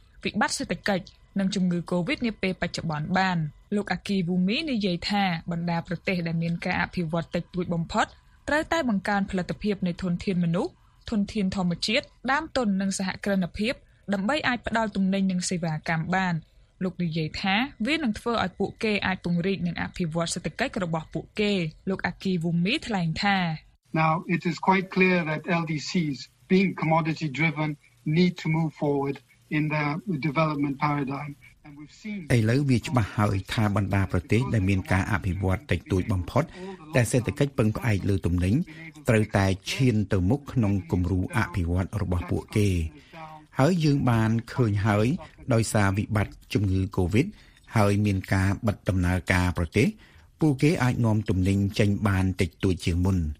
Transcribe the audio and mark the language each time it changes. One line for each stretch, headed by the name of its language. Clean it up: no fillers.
Khmer: វិបត្តិសេដ្ឋកិច្ចនិងជំងឺ Covid នាពេលបច្ចុប្បន្នបានលោក Akivumi និយាយថាបណ្ដាប្រទេសដែលមានការអភិវឌ្ឍតិចតួចបំផុតត្រូវតែបង្កើនផលិតភាពនៃធនធានមនុស្សធនធានធម្មជាតិដើមទុននិងសហគ្រិនភាពដើម្បីអាចផ្ដល់ទំនេញនិងសេវាកម្មបានលោកនិយាយថាវានឹងធ្វើឲ្យពួកគេអាចពង្រីកនិងអភិវឌ្ឍសេដ្ឋកិច្ចរបស់ពួកគេលោក Akivumi ថ្លែងថា
English: Now it is quite clear that LDCs being commodity driven need to move forward in their development paradigm and we've seen
Khmer: ឥឡូវវាច្បាស់ហើយថាបណ្ដាប្រទេសដែលមានការអភិវឌ្ឍតិចតួចបំផុតតែសេដ្ឋកិច្ចពឹងផ្អែកលើទំនេញត្រូវតែឈានទៅមុខក្នុងគំរូអភិវឌ្ឍរបស់ពួកគេហើយយើងបានឃើញហើយដោយសារវិបត្តិជំងឺ Covid ហើយមានការបិទដំណើរការប្រទេសពួកគេអាចនាំទំនិញចេញបានតិចតួចជាងមុន